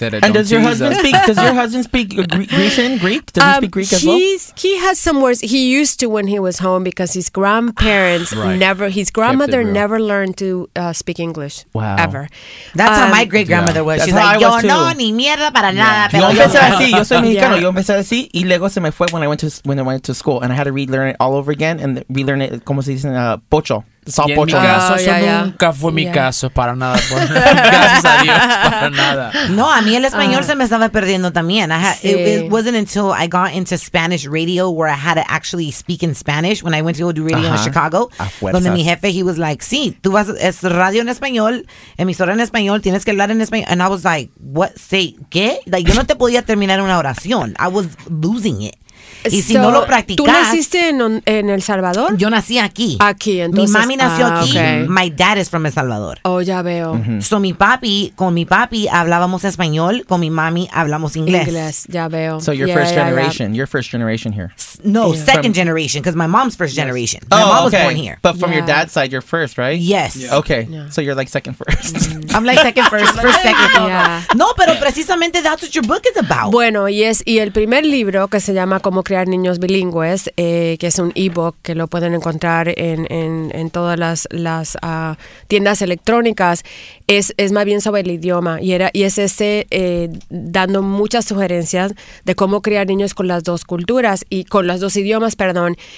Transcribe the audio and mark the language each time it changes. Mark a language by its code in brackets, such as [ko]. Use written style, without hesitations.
[en] And does your husband speak? Does your husband speak Grecian? Greek? Does he speak Greek as well? He has some words. He used to when he was home because his grandpa. His grandmother never learned to speak English. Wow. Ever. That's how my great grandmother was. [es] She's like, yo no, ni mierda para nada. Yo empecé así. Yo soy mexicano. Yo empecé así. Y luego se me fue [en] when I went to school. And I had to relearn it all over again and relearn it, [es] como se dice, pocho. Son pocho. En mi caso, nunca fue mi caso para nada. Gracias a Dios, para nada. No, a mí el español se me estaba perdiendo también. [en] It wasn't until I got into Spanish radio where I had to actually speak in Spanish when I went to go do radio in Chicago. [es] Donde mi jefe, [en] he was like, [es] sí, tú vas, es radio en español, emisora en español, tienes que hablar en español. [en] And I was like, what, say, [es] ¿qué? Like, yo no te podía terminar una oración. [en] I was losing it. [es] Y si no lo practicas. ¿Tú naciste en El Salvador? Yo nací aquí. Aquí, entonces. Mi mami nació aquí. [en] Okay. My dad is from El Salvador. [es] Oh, ya veo. Mm-hmm. So, con mi papi hablábamos español, con mi mami hablamos inglés. Inglés, ya veo. [en] So, you're first generation here. No, second generation, because my mom's first generation. Yes. My mom was born here. But from your dad's side, you're first, right? Yes. Yeah. Okay, yeah. So you're like second first. I'm like second first, first second. Yeah. [es] No, pero precisamente [en] that's what your book is about. [es] Bueno, yes. Y el primer libro, que se llama Cómo crear niños bilingües, que es un ebook que lo pueden encontrar en todas las tiendas electrónicas, es más bien sobre el idioma y es ese dando muchas sugerencias de cómo crear niños con las dos culturas y con los dos idiomas, perdón.